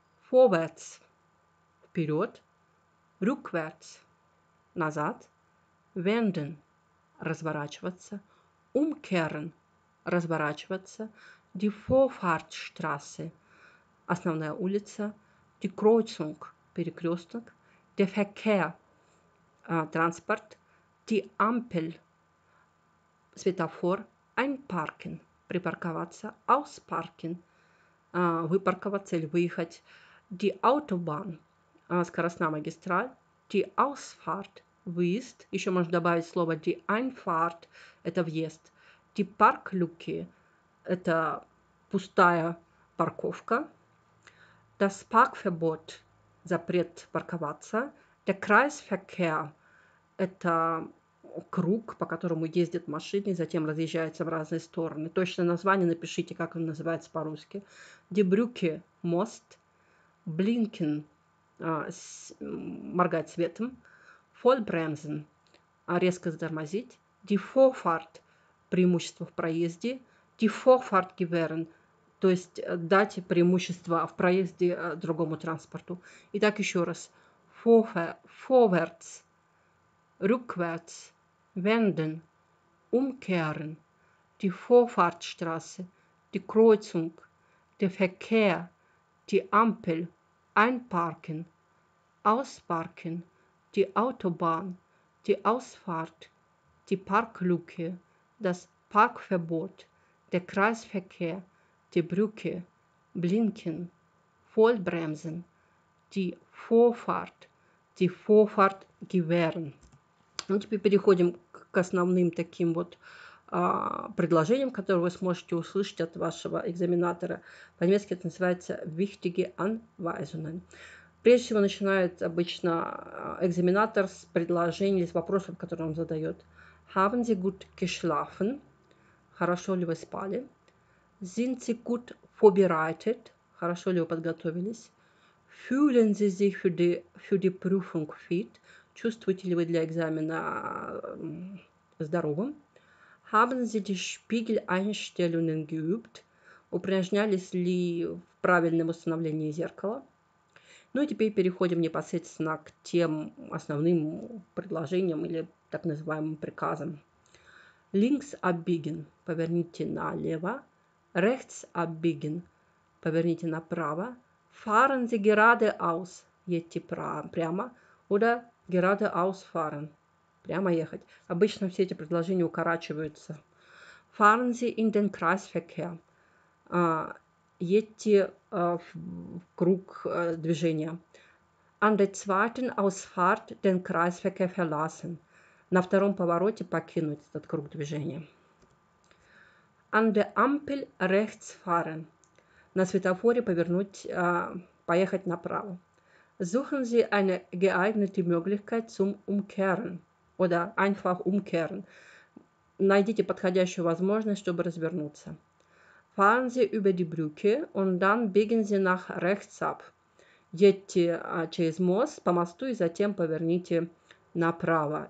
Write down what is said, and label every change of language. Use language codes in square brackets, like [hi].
[de] Vorwärts – [ru] вперед, [de] rückwärts – [ru] назад, [de] wenden – [ru] разворачиваться, [de] umkehren – разворачиваться, Die Vorfahrtstraße – [ru] основная улица. [de] Die Kreuzung – [ru] перекрёсток. [de] Der Verkehr – [ru] транспорт. [de] Die Ampel – [ru] светофор. [de] Einparken [ru] – припарковаться. [de] Ausparken [ru] – выпарковаться или выехать. [de] Die Autobahn – [ru] скоростная магистраль. [de] Die Ausfahrt – [ru] выезд. Ещё можно добавить слово [de] Die Einfahrt [ru] – это въезд. [de] Die Parklücke [ru] – это пустая парковка. [de] Das Parkverbot – [ru] запрет парковаться. [de] Der Kreisverkehr [ru] – это круг, по которому ездят машины и затем разъезжаются в разные стороны. Точное название напишите, как он называется по-русски. [de] Die Brücke – [ru] мост. [de] Blinken [ru] – моргать светом. [de] Vollbremsen [ru] – резко затормозить. [de] Die Vorfahrt [ru] – преимущество в проезде. [de] Die Vorfahrt gewähren [ru] – то есть дать преимущество в проезде другому транспорту. Итак, еще раз. [de] Vorwärts, rückwärts, wenden, umkehren, die Vorfahrtstraße, die Kreuzung, der Verkehr, die Ampel, einparken, ausparken, die Autobahn, die Ausfahrt, die Parklücke, das Parkverbot, der Kreisverkehr, Die Brücke, Blinken, Vollbremsen, die Vorfahrt gewähren. [ru] Ну, теперь переходим к основным таким вот предложениям, которые вы сможете услышать от вашего экзаменатора. По-немецки это называется [de] «wichtige Anweisungen». [ru] Прежде всего, начинает обычно экзаменатор с предложений, с вопросов, которые он задает. [de] «Haben Sie gut geschlafen?» [ru] – «Хорошо ли вы спали?» [de] Sind Sie gut vorbereitet? [ru] Хорошо ли вы подготовились? [de] Fühlen Sie sich für die Prüfung fit? [ru] Чувствуете ли вы для экзамена здоровым? [de] Haben Sie die Spiegeleinstellungen geübt? [ru] Упражнялись ли в правильном установлении зеркала? Ну и теперь переходим непосредственно к тем основным предложениям или так называемым приказам. [de] Links abbiegen. [ru] Поверните налево. [de] Rechts abbiegen. [ru] Поверните направо. [de] Fahren Sie geradeaus. [ru] Едьте прямо. [de] Oder geradeaus fahren. [ru] Прямо ехать. Обычно все эти предложения укорачиваются. [de] Fahren Sie in den Kreisverkehr. [ru] Едьте в круг движения. [de] An der zweiten Ausfahrt den Kreisverkehr verlassen. [ru] На втором повороте покинуть этот круг движения. [de] An der Ampel rechts fahren. [ru] На светофоре поехать направо. [de] Suchen Sie eine geeignete Möglichkeit zum Umkehren. Oder einfach umkehren. [ru] Найдите подходящую возможность, чтобы развернуться. [de] Fahren Sie über die Brücke und dann biegen Sie nach rechts ab. [ru] Едьте через мост по мосту и затем поверните направо.